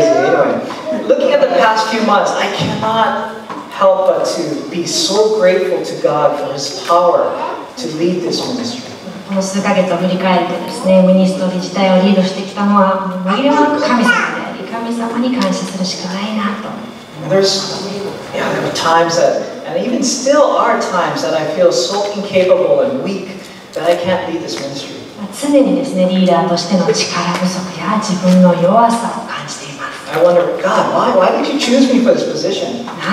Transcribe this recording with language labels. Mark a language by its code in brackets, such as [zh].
[en] Anyway, looking at the past few months, I cannot help but to be so grateful to God for His power to lead this ministry. [ja] この数ヶ月を振り返るとですね、ミニストリー自体をリードしてきたのは、紛れもなく神様であり、神様に感謝するしかないなと。 [en] There's, yeah, there were times that, and even still are times that I feel so incapable and weak that I can't lead this ministry. [ja] 常にですね、リーダーとしての力不足や自分の弱さを感じています。 [en] I wonder, God, why did you choose me for this position?